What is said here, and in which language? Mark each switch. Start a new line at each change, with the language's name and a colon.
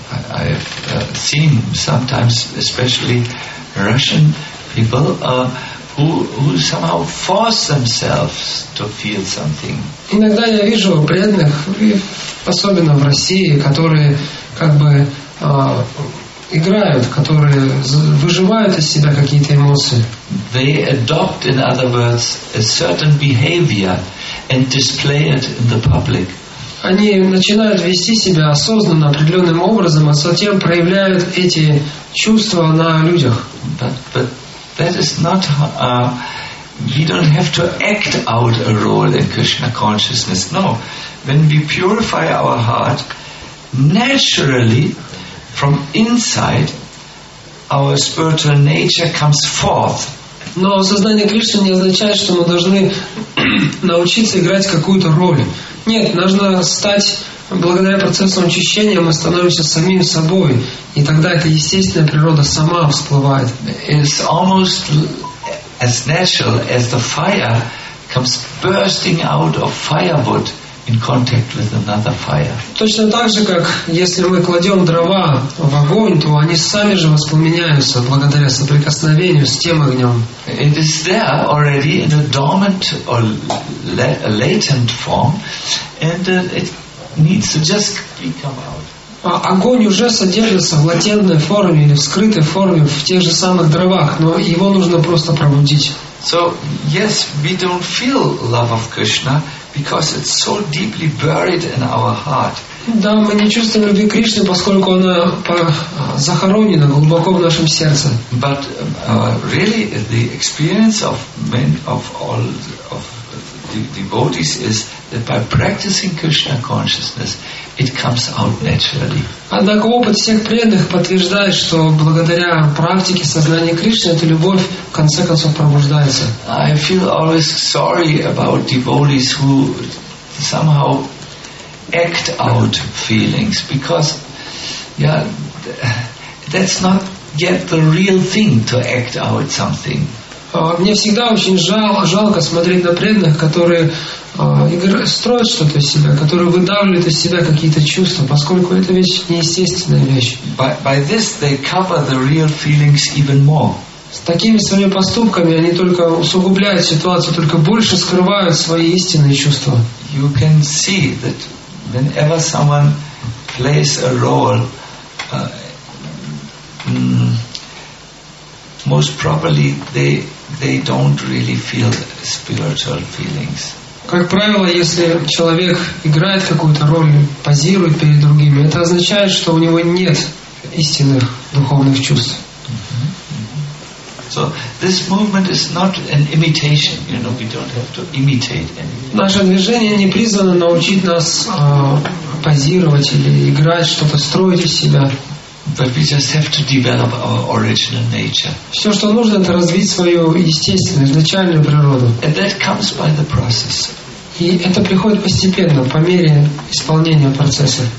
English: I've seen sometimes, especially Russian people, who somehow force themselves to feel something.
Russian: Иногда я вижу преданных, особенно в России, которые как бы играют, которые выживают из себя какие-то эмоции.
English: They adopt, in other words, a certain behavior and display it in the public.
Russian: Они начинают вести себя осознанно определенным образом, а затем проявляют эти чувства на людях.
English: But that is not we don't have to act out a role in Krishna consciousness. No, when we purify our heart, naturally, from inside, our spiritual nature comes forth.
Russian: Но сознание Кришны не означает, что мы должны научиться играть какую-то роль. Нет, нужно стать, благодаря процессу очищения, мы становимся самим собой. И тогда эта естественная природа сама всплывает.
English: It's almost as natural as the fire comes bursting out of firewood in contact with another fire.
Russian: Точно так же, как если мы кладем дрова в огонь, то они сами же воспламеняются благодаря соприкосновению с тем огнем.
English: It is there already in a dormant or latent form, and it needs to just come out.
Russian: А огонь уже содержится в латентной форме или в скрытой форме в тех же самых дровах, но его нужно просто пробудить.
English: So yes, we don't feel love of Krishna because it's so deeply buried in our heart.
Russian: Да, мы не чувствуем любви к Кришне, поскольку она захоронена глубоко в нашем сердце.
English: But really, the experience of men of all of devotees is that by practicing Krishna consciousness, it comes out naturally.
Russian: Однако опыт всех преданных подтверждает, что благодаря практике сознания Кришны эта любовь в конце концов пробуждается.
English: I feel always sorry about devotees who somehow act out feelings because, yeah, that's not yet the real thing to act out something.
Russian: Мне всегда очень жалко смотреть на преданных, которые строят что-то из себя, которые выдавливают из себя какие-то чувства, поскольку это вещь неестественная вещь.
English: By this they cover the real feelings even more.
Russian: С такими своими поступками они только усугубляют ситуацию, только больше скрывают свои истинные чувства.
English: You can see that whenever someone plays a role most properly, they don't really feel spiritual feelings.
Russian: Как правило, если человек играет какую-то роль, позирует перед другими, это означает, что у него нет истинных духовных чувств.
English: So this movement is not an imitation. You know, we don't have to imitate anything.
Russian: Наше движение не призвано научить нас позировать или играть что-то, строить из себя.
English: But we just have to develop our original nature.
Russian: Все, что нужно, это развить свою естественную, изначальную природу.
English: And that comes by the process.
Russian: И это приходит постепенно, по мере исполнения процесса.